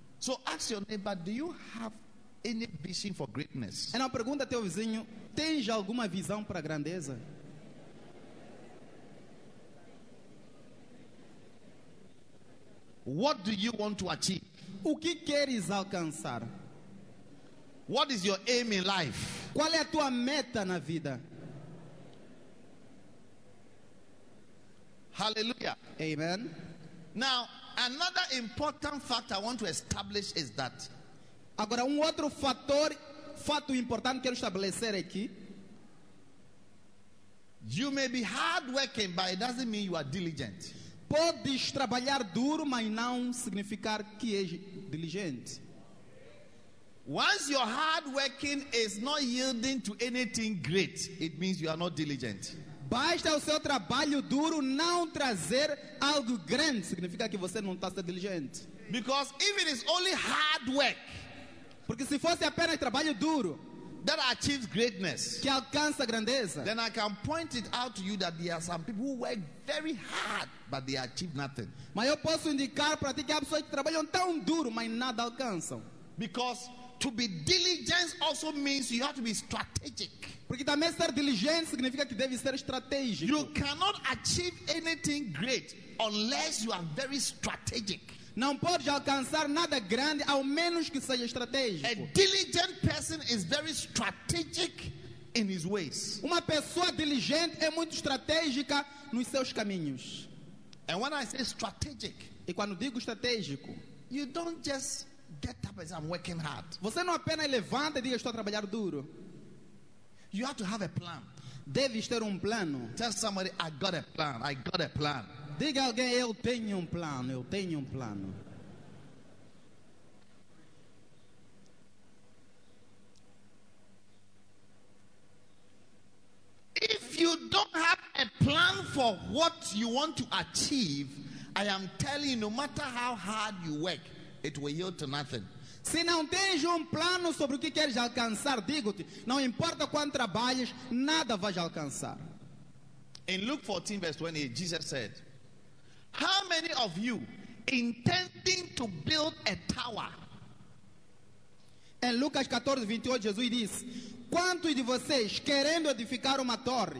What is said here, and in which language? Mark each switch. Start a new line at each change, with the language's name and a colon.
English: So ask your neighbor, do you have any vision for greatness?
Portuguese: Então pergunta ao teu vizinho, tens alguma visão para a grandeza?
English: What do you want to achieve?
Portuguese: O que queres alcançar?
English: What is your aim in life?
Portuguese: Qual é a tua meta na vida?
English: Hallelujah.
Portuguese: Amen.
English: Now, another important fact I want to establish is that.
Portuguese: Agora, outro fato importante quero estabelecer aqui.
English: You may be hardworking, but it doesn't mean you are diligent.
Portuguese: Podes trabalhar duro, mas não significar que és diligente.
English: Once your hard working is not yielding to anything great, it means you are not diligent.
Portuguese: Basta o seu trabalho duro não trazer algo grande, significa que você não está sendo diligente.
English: Because if it is only hard work,
Portuguese: porque se fosse apenas trabalho duro,
English: that achieves greatness,
Portuguese: que alcança grandeza,
English: then I can point it out to you that there are some people who work very hard, but they achieve nothing.
Portuguese: Mas eu posso indicar para ti que há pessoas que trabalham tão duro, mas nada alcançam.
English: Because to be diligent also means you have to be strategic.
Portuguese: Porque também ser diligente significa que deve ser estratégico.
English: You cannot achieve anything great unless you are very strategic.
Portuguese: Não pode alcançar nada grande ao menos que seja estratégico.
English: A diligent person is very strategic in his ways.
Portuguese: Uma pessoa diligente é muito estratégica nos seus caminhos.
English: And when I say strategic,
Portuguese: e quando digo estratégico,
English: you don't just get up as I'm working hard.
Portuguese: Você não apenas levanta e diz estou a trabalhar duro.
English: You have to have a plan.
Portuguese: Deve ter plano.
English: Tell somebody, I got a plan.
Portuguese: Diga alguém, eu tenho um plano.
English: If you don't have a plan for what you want to achieve, I am telling you, no matter how hard you work, it will yield to nothing.
Portuguese: Se não tens plano sobre o que queres alcançar, digo-te, não importa quanto trabalhes, nada vais alcançar.
English: In Luke 14, verse 28, Jesus said, how many of you intending to build a tower?
Portuguese: Em Lucas 14, 28, Jesus diz, quantos de vocês querendo edificar uma torre?